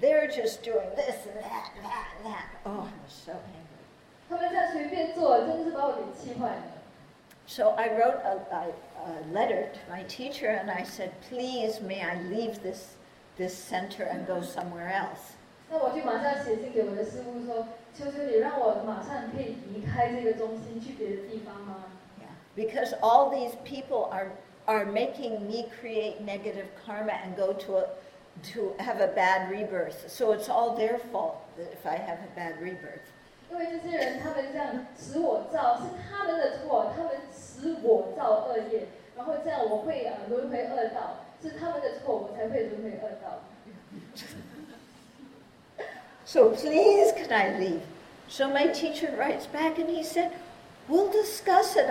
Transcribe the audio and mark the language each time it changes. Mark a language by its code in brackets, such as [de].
[en] they're just doing this and that and that and that. Oh, I was so angry. [zh] 他们在随便做，真的是把我给气坏了。 [en] So I wrote a letter to my teacher and I said, please, may I leave this center and go somewhere else? [zh] 那我就马上写信给我的师父说，求求你让我马上可以离开这个中心去别的地方吗？ [en] Yeah, because all these people are making me create negative karma and go to have a bad rebirth. So it's all their fault that if I have a bad rebirth. [zh] 因为这些人他们这样使我造是他们的错，他们使我造恶业，然后这样我会轮回恶道，是他们的错，我才会轮回恶道。 [en] So please, can I leave? So my teacher writes back and he said, we'll discuss it.